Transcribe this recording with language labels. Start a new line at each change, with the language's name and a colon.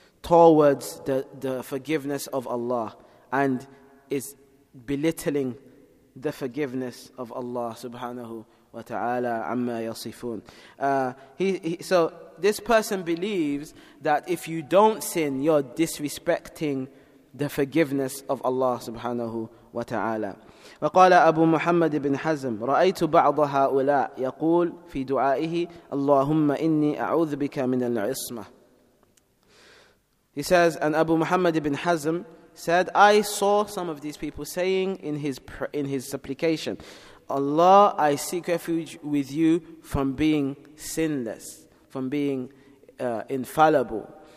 English: towards the forgiveness of Allah and is belittling the forgiveness of Allah subhanahu wa ta'ala amma yasifun. So this person believes that if you don't sin, you're disrespecting the forgiveness of Allah subhanahu wa ta'ala.
Arabic: وقال أبو محمد بن حزم رأيت بعض هؤلاء يقول في دعائه اللهم إني أعوذ بك من العصمة.
English: He says, and Abu Muhammad ibn Hazm said, I saw some of these people saying in his supplication, Allah, I seek refuge with you from being sinless, from being infallible.